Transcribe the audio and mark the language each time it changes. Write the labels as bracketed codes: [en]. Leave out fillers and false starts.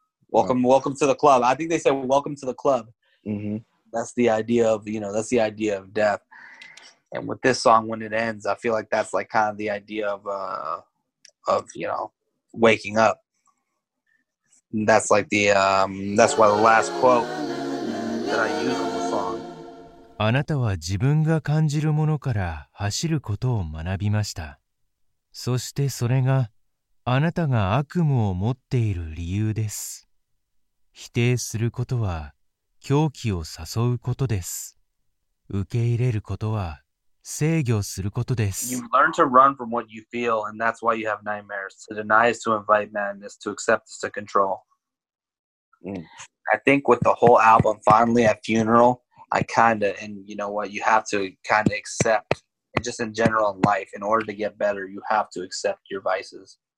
[en] Welcome to the club. I think they said, welcome to the club. That's the idea of, you know, that's the idea of death. And with this song, when it ends, I feel like that's like kind of the idea of you know, waking up. And that's like the that's why the last quote that I use on the song. [ja] あなたは自分が感じるものから走ることを学びました。そしてそれがあなたが悪夢を持っている理由です。否定することは狂気を誘うことです。受け入れることは制御することです。 [en] You learn to run from what you feel, and that's why you have nightmares. To deny is to invite madness. To accept is to control. I think with the whole album, finally at Funeral, I kind of, and you know what, you have to kind of accept, and just in general in life, in order to get better, you have to accept your vices.